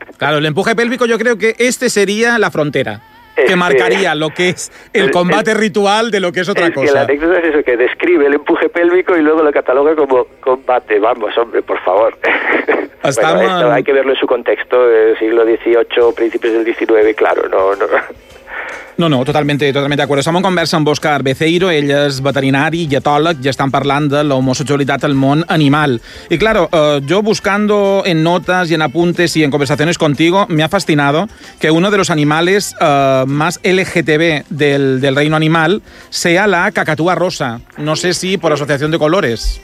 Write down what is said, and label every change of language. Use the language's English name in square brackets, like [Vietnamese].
[Spanish] claro, el empuje pélvico yo creo que este sería la frontera que marcaría lo que es el combate ritual de lo que es otra cosa. Que la anécdota es eso, que describe el empuje pélvico y luego lo cataloga como combate. Vamos, hombre, por favor. Bueno, hay que verlo en su contexto del siglo XVIII, principios del XIX, claro, no... [Catalan] No, totalment d'acord. Som en conversa amb Óscar Beceiro, ell és veterinari i etòleg, i estan parlant de l'homosexualitat al món animal. [Spanish] I, claro, yo buscando en notas y en apuntes y en conversaciones contigo, me ha fascinado que uno de los animales más LGTB del reino animal sea la cacatúa rosa. No sé si por asociación de colores.